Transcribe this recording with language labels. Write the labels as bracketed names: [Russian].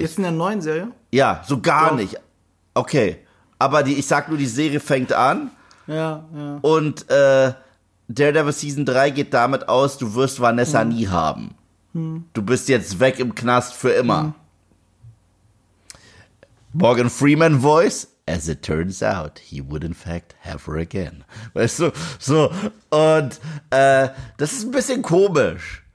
[German] Jetzt in der neuen Serie? Ja, so gar nicht. Okay, aber ich sag nur, die Serie fängt an. Ja, ja. Und Daredevil Season 3 geht damit aus, du wirst Vanessa nie haben. Du bist jetzt weg im Knast für immer. [English] Morgan Freeman Voice, as it turns out, he would in fact have her again. [German] Weißt du, so, und das ist ein bisschen komisch.